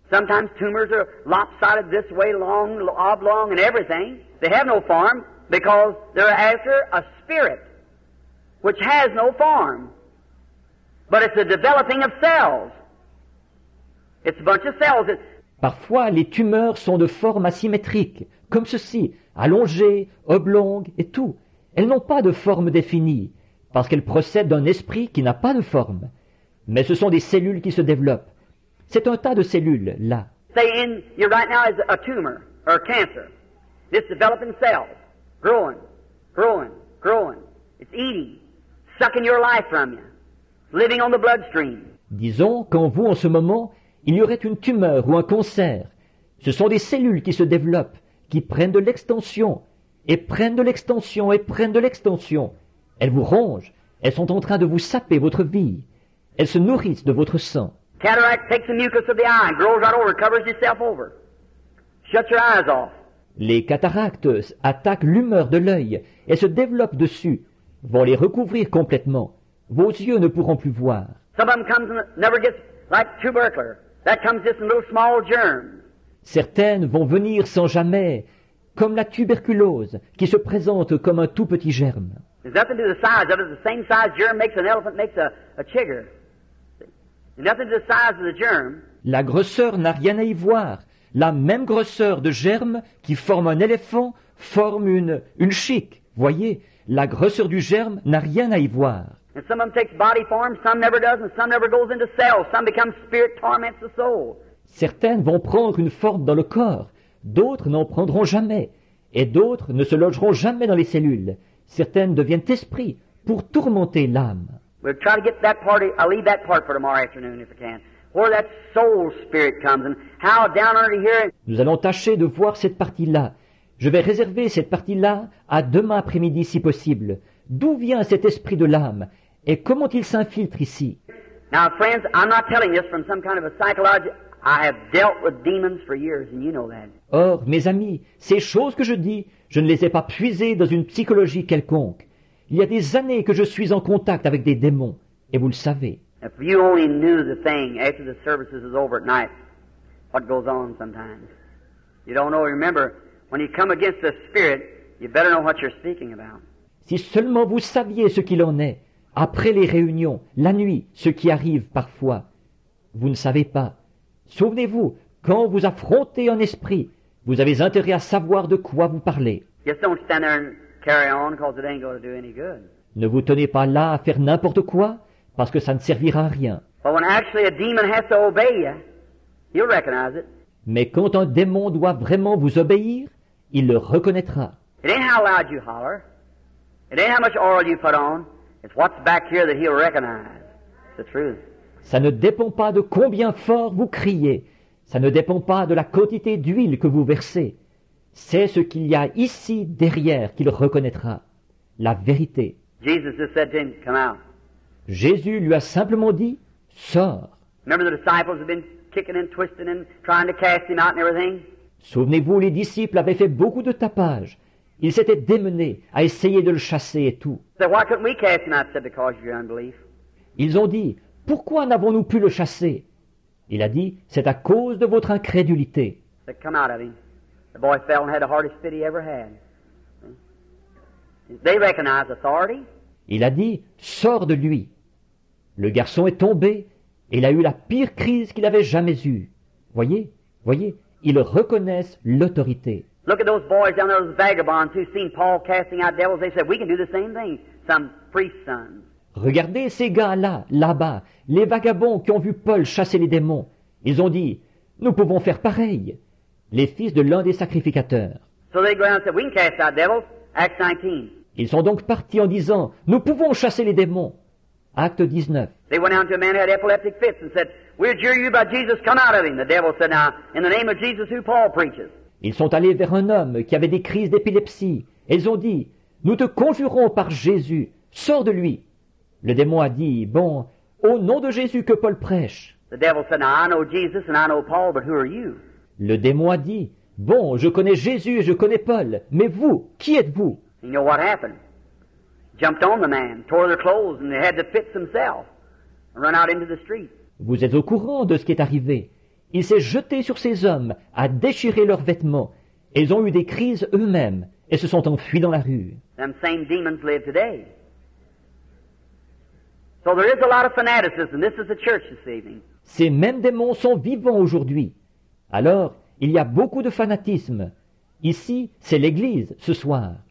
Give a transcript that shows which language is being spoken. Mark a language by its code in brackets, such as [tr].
[en] Sometimes tumors are lopsided this way, long, oblong, and everything. They have no form because they're after a spirit which has no form. But it's a developing of cells. It's a bunch of cells. [fr] Parfois, les tumeurs sont de forme asymétrique, comme ceci, allongées, oblongues et tout. Elles n'ont pas de forme définie, parce qu'elles procèdent d'un esprit qui n'a pas de forme. Mais ce sont des cellules qui se développent. C'est un tas de cellules, là. [en] Say in you right now is a tumor or a cancer. It's developing cells, growing, growing, growing. It's eating, sucking your life from you, living on the bloodstream. [fr] Disons qu'en vous, en ce moment, il y aurait une tumeur ou un cancer. Ce sont des cellules qui se développent, qui prennent de l'extension, et prennent de l'extension, et prennent de l'extension. Elles vous rongent. Elles sont en train de vous saper votre vie. Elles se nourrissent de votre sang. [en] Cataract takes the mucus of the eye and grows right over, covers itself over. Shut your eyes off. [fr] Les cataractes attaquent l'humeur de l'œil et se développent dessus, vont les recouvrir complètement. Vos yeux ne pourront plus voir. [en] Some of them comes and never gets like tubercular. That comes just in little small germs. [fr] Certaines vont venir sans jamais, comme la tuberculose, qui se présente comme un tout petit germe. [en] There's nothing to the size of it. The same size germ makes an elephant makes a chigger. Nothing to the size of the germ. [fr] La grosseur n'a rien à y voir. La même grosseur de germe qui forme un éléphant forme une chic. Voyez, la grosseur du germe n'a rien à y voir. [en] And some of them takes body form, some never does, and some never goes into cells. Some become spirit torments the soul. [fr] Certaines vont prendre une forme dans le corps. D'autres n'en prendront jamais. Et d'autres ne se logeront jamais dans les cellules. Certaines deviennent esprits pour tourmenter l'âme. [en] We'll try to get that part, I'll leave that part for tomorrow afternoon if I can. Where that soul spirit comes and how down under here. [fr] Nous allons tâcher de voir cette partie-là. Je vais réserver cette partie-là à demain après-midi si possible. D'où vient cet esprit de l'âme et comment il s'infiltre ici? [en] Now friends, I'm not telling this from some kind of a psychology. I have dealt with demons for years and you know that. [fr] Or, mes amis, ces choses que je dis, je ne les ai pas puisées dans une psychologie quelconque. Il y a des années que je suis en contact avec des démons et vous le savez. [en] If you only knew the thing after the services is over at night, what goes on sometimes. You don't know, remember, when you come against the spirit, you better know what you're speaking about. [fr] Si seulement vous saviez ce qu'il en est, après les réunions, la nuit, ce qui arrive parfois, vous ne savez pas. Souvenez-vous, quand vous affrontez un esprit, vous avez intérêt à savoir de quoi vous parlez. [en] Just don't stand there and carry on because it ain't going to do any good. [fr] Ne vous tenez pas là à faire n'importe quoi, parce que ça ne servira à rien. [en] But when actually a demon has to obey you, he'll recognize it. [fr] Mais quand un démon doit vraiment vous obéir, il le reconnaîtra. [en] It ain't how loud you holler. It ain't how much oil you put on. It's what's back here that he'll recognize. It's the truth. [fr] Ça ne dépend pas de combien fort vous criez. Ça ne dépend pas de la quantité d'huile que vous versez. C'est ce qu'il y a ici derrière qu'il reconnaîtra. La vérité. [en] Jesus just said to him, come out. [fr] Jésus lui a simplement dit, sors. [en] Remember the disciples have been kicking and twisting and trying to cast him out and everything? [fr] Souvenez-vous, les disciples avaient fait beaucoup de tapage. Ils s'étaient démenés à essayer de le chasser et tout. [en] So why couldn't we cast him out? Said because of your unbelief. [fr] Ils ont dit, pourquoi n'avons-nous pu le chasser? Il a dit, c'est à cause de votre incrédulité. [en] Said, come out of him. The boy fell and had the hardest fit he ever had. They recognize authority. [fr] Il a dit, sors de lui. Le garçon est tombé et il a eu la pire crise qu'il avait jamais eue. Voyez, ils reconnaissent l'autorité. [en] Look at those boys down there, those vagabonds who've seen Paul casting out devils. They said, we can do the same thing, some priest's sons. [fr] Regardez ces gars-là, là-bas, les vagabonds qui ont vu Paul chasser les démons. Ils ont dit, nous pouvons faire pareil, les fils de l'un des sacrificateurs. [en] So they go out and said, we can cast out devils, Acts 19. [fr] Ils sont donc partis en disant, nous pouvons chasser les démons, Acte 19. [en] They went out to a man who had epileptic fits and said, we adjure you by Jesus, come out of him. The devil said, now, in the name of Jesus, who Paul preaches. [fr] Ils sont allés vers un homme qui avait des crises d'épilepsie. Ils ont dit, nous te conjurons par Jésus, sors de lui. Le démon a dit, bon, au nom de Jésus que Paul prêche. [en] The devil said, now I know Jesus and I know Paul, but who are you? [fr] Le démon a dit, bon, je connais Jésus et je connais Paul, mais vous, qui êtes-vous? [en] You know what happened? Jumped on the man, tore their clothes and they had the fits themselves, and run out into the street. [fr] Vous êtes au courant de ce qui est arrivé. Il s'est jeté sur ces hommes, a déchiré leurs vêtements. Ils ont eu des crises eux-mêmes et se sont enfuis dans la rue. [en] Them same demons live today. So there is a lot of fanaticism. This is the church this evening. [fr] Ces mêmes démons sont vivants aujourd'hui. Alors, il y a beaucoup de fanatisme. Ici, c'est l'Église ce soir.